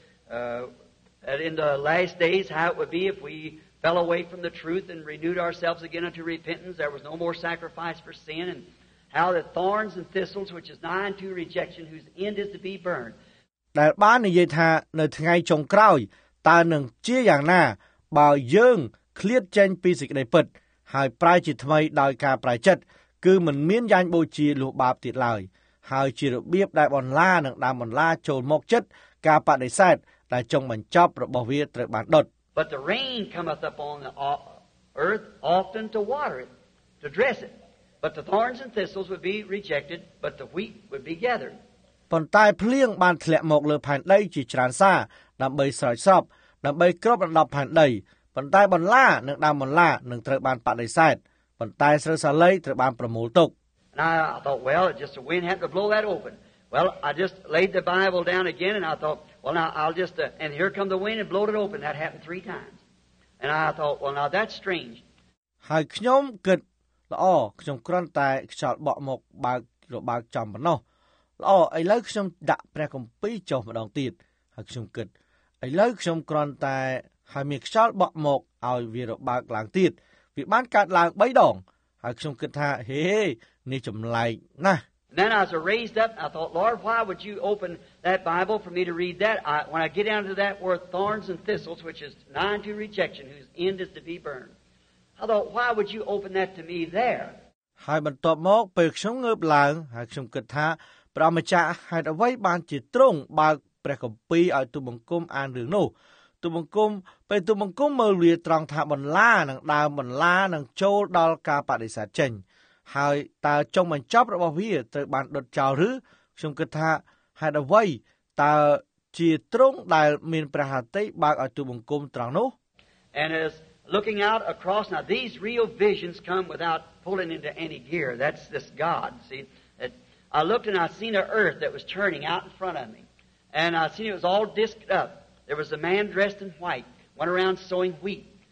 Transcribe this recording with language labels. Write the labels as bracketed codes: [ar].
[en] 6 In the last days how it would be if we fell away from the truth and renewed ourselves again unto repentance there was no more sacrifice for sin and how the thorns and thistles which is nigh unto rejection whose end is to be burned [km] ដែលបាននិយាយថានៅថ្ងៃចុងក្រោយតើនឹងជាយ៉ាងណាបើយើងឃ្លាតចេញពីសេចក្តីពិតហើយប្រែជាថ្មីដោយការប្រែចិត្តគឺមិនមានយ៉ាងបូជាលោះបាបទៀតឡើយហើយជារបៀបដែលបន្លានឹងដើមបន្លាចូលមកចិត្តការបដិសេធដែលចុងបញ្ចប់របស់វាត្រូវបានដុត [en] But the rain cometh upon the earth often to water it to dress it but the thorns and thistles would be rejected but the wheat would be gathered [km] ប៉ុន្តែភ្លៀងបានធ្លាក់មកលើផែនដីជាច្រើនសាដើម្បីស្រោចស្រពដើម្បីគ្របដណ្ដប់ផែនដីប៉ុន្តែបន្លានិងដើមបន្លានឹងត្រូវបានបដិសេធប៉ុន្តែស្រូវសាលីត្រូវបានប្រមូលទុក [en] Now I thought well it just the wind had to blow that open well I just laid the bible down again and I thought well now I'll just and here come the wind and blow it open that happened 3 times and I thought well now that's strange [km] ហើយខ្ញុំគិតល្អខ្ញុំគ្រាន់តែខ្យល់បក់មកបើករបើកចំប៉ុណ្ណោះល្អឥឡូវខ្ញុំដាក់ព្រះគម្ពីរចុះម្ដងទៀតហើយខ្ញុំគិតឥឡូវខ្ញុំគ្រាន់តែហើយមានខ្យល់បក់មកឲ្យវារបើកឡើងទៀតវាបានកាត់ឡើង3ដងហើយខ្ញុំគិតថាហេនេះចម្លែកណាស់ [en] Then I was raised up I thought Lord why would you open that bible for me to read that when I get down to that where thorns and thistles which is nigh unto rejection whose end is to be burned I thought why would you open that to me there [km] ហើយបន្ទាប់មកពេលខ្ញុំងើបឡើងហើយខ្ញុំគិតថាព្រះម្ចាស់ហេតុអ្វីបានជាទ្រង់បើកព្រះគម្ពីរឲ្យទូបង្គំអានរឿងនោះទូបង្គំពេលទូបង្គំមើលវាត្រង់ថាបន្លានឹងដើមបន្លានឹងចូលដល់ការបដិសេធចេញហើយតើចុងបញ្ចប់របស់វាត្រូវបានដុតចោលឬខ្ញុំគិតថាហេតុអ្វីតើជាទ្រង់ដែលមានព្រះហត្ថីបើកឲ្យទូបង្គំត្រង់នោះ [en] And is looking out across now these real visions come without pulling into any gear that's this God see that I looked and I seen a earth that was turning out in front of me and I seen it was all disked up there was a man dressed in white went around sowing wheat